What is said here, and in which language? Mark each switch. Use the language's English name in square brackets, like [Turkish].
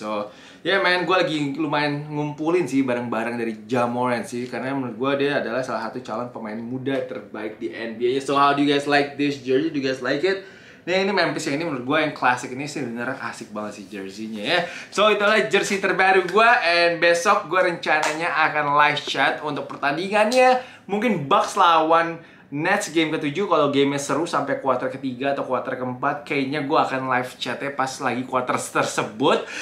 [English] So yeah man, [Indonesian] gue lagi lumayan ngumpulin sih barang-barang dari Ja Morant sih, karena menurut gue dia adalah salah satu calon pemain muda terbaik di NBA. [English] So how do you guys like this jersey? Do you guys like it? [Indonesian] Nah ini Memphis, yang ini menurut gue yang klasik ini sih beneran asik banget sih jerseynya ya. So itulah jersey terbaru gue. And besok gue rencananya akan live chat untuk pertandingannya, mungkin Bucks lawan Nets game ke-7. Kalau gamenya seru sampai quarter ke-3 atau quarter ke-4, kayaknya gue akan live chatnya pas lagi quarter tersebut.